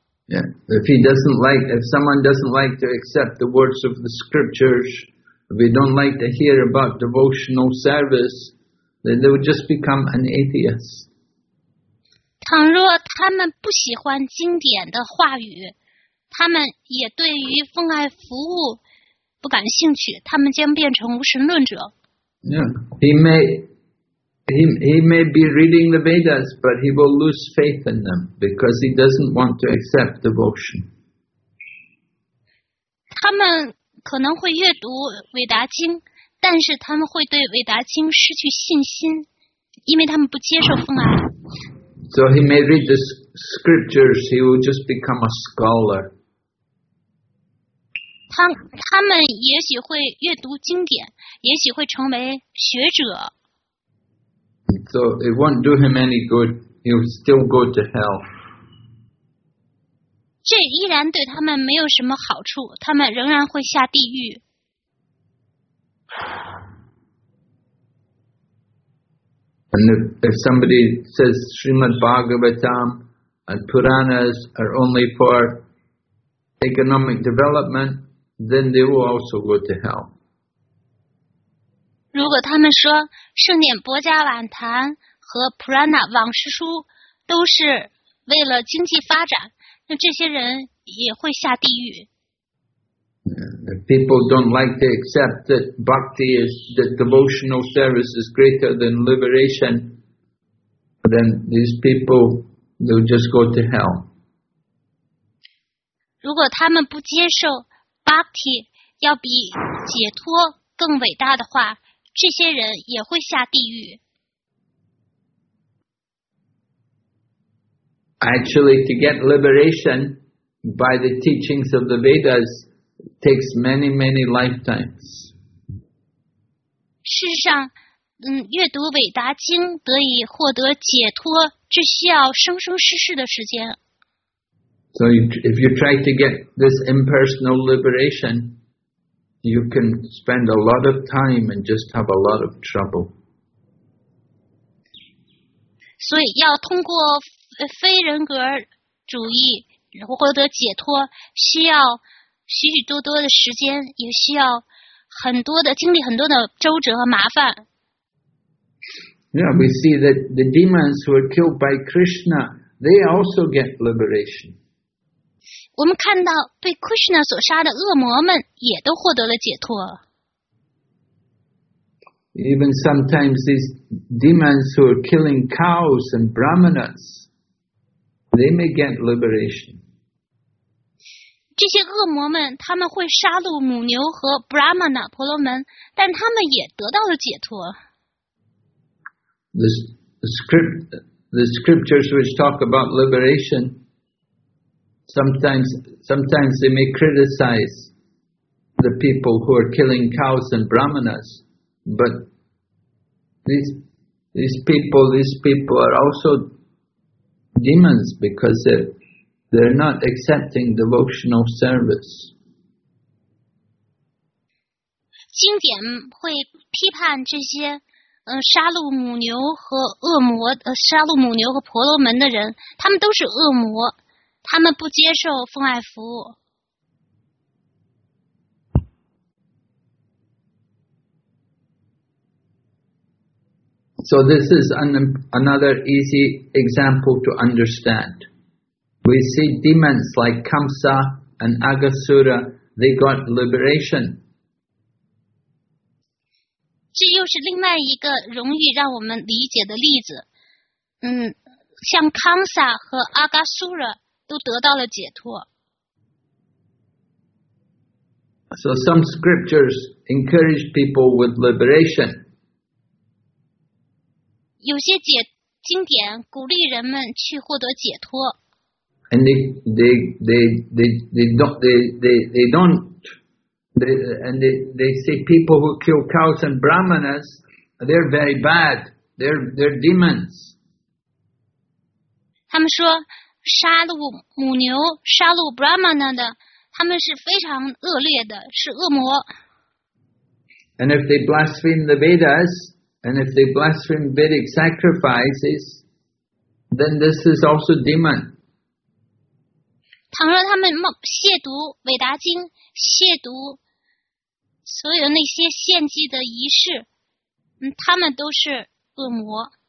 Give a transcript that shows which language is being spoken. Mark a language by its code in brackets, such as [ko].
[en] Yeah, if he doesn't like, if someone doesn't like to accept the words of the scriptures, if they don't like to hear about devotional service, then they would just become an atheist. [zh] 倘若他们不喜欢经典的话语，他们也对于奉爱服务不感兴趣，他们将变成无神论者。 [en] Yeah, he may be reading the Vedas, but he will lose faith in them because he doesn't want to accept devotion. [zh] 他们可能会阅读韦达经，但是他们会对韦达经失去信心，因为他们不接受奉爱。 [en] So he may read the scriptures, he will just become a scholar. [zh] 他们也许会阅读经典，也许会成为学者。 [en] So it won't do him any good. He'll still go to hell. [zh] 这依然对他们没有什么好处，他们仍然会下地狱。 [en] And if somebody says Srimad Bhagavatam and Puranas are only for economic development, then they will also go to hell. [zh] 如果他们说圣典博迦瓦坛和普拉纳往事书都是为了经济发展，那这些人也会下地狱。 [en] Yeah, if people don't like to accept that bhakti is the devotional service is greater than liberation, then these people will just go to hell. [zh] 如果他们不接受 bhakti 要比解脱更伟大的话，这些人也会下地狱。 [en] Actually, to get liberation by the teachings of the Vedas takes many, many lifetimes. [zh] 事实上，阅读韦达经得以获得解脱，这需要生生世世的时间。 [en] So if you try to get this impersonal liberation, you can spend a lot of time and just have a lot of trouble. [zh] 所以要通过非人格主义获得解脱，需要许许多多的时间，也需要很多的经历很多的周折和麻烦。 [en] Yeah, we see that the demons who are killed by Krishna, they also get liberation. [zh] 我们看到被 Krishna 所杀的恶魔们也都获得了解脱。 [en] Even sometimes these demons who are killing cows and brahmanas, they may get liberation. [zh] 这些恶魔们他们会杀戮母牛和 brahmana 婆罗门，但他们也得到了解脱。 [en] The scriptures which talk about liberation. Sometimes they may criticize the people who are killing cows and brahmanas, but these people are also demons because they're not accepting devotional service. [zh] 经典会批判这些杀戮母牛和恶魔杀戮母牛和婆罗门的人，他们都是恶魔。他们不接受奉爱服务。 [en] So this is another easy example to understand. We see demons like Kamsa and Agasura, they got liberation. [zh] 这又是另外一个容易让我们理解的例子。嗯，像康萨和阿嘎苏拉都得到了解脱。 [en] So some scriptures encourage people with liberation. [zh] 有些解经典鼓励人们去获得解脱。 [en] And they say people who kill cows and brahmanas, they're very bad. They're demons. [zh] 他们说杀戮母牛、杀戮 brahmana 的，他们是非常恶劣的，是恶魔。 [en] And if they blaspheme the Vedas, and if they blaspheme Vedic sacrifices, then this is also demon. [zh] 倘若他们亵渎韦达经，亵渎所有那些献祭的仪式，他们都是恶魔。